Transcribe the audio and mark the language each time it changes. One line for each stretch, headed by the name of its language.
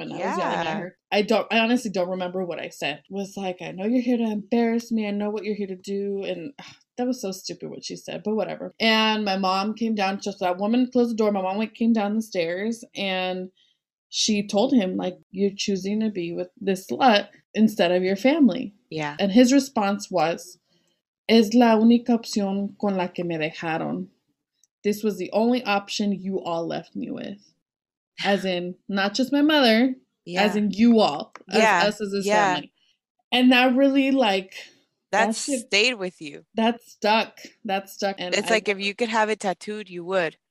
English: And yeah. I was yelling at her. I honestly don't remember what I said. It was like, I know you're here to embarrass me. I know what you're here to do. And that was so stupid what she said, but whatever. And my mom came down, just that woman closed the door. My mom came down the stairs and she told him, like, you're choosing to be with this slut instead of your family. Yeah.
Spanish: And his response was, es la única opción con la que me dejaron.
English: This was the only option you all left me with. As in, not just my mother, yeah. as in you all, yeah. us as a yeah. family. And that really, like, That stayed with you. That stuck. And it's like, if you could have it tattooed, you would.